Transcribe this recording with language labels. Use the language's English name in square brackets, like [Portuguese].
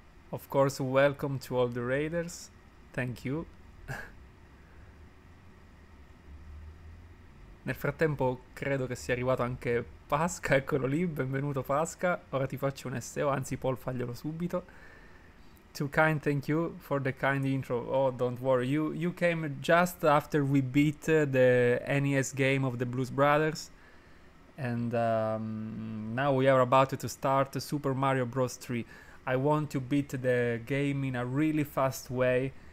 [English] Of course, welcome to all the raiders, thank you. [Italian] Nel frattempo credo che sia arrivato anche Pasca, eccolo lì, benvenuto Pasca, ora ti faccio un SEO, anzi Paul faglielo subito. [English] Too kind, thank you for the kind intro. Oh, don't worry. You came just after we beat the NES game of the Blues Brothers. And now we are about to start Super Mario Bros. 3. I want to beat the game in a really fast way.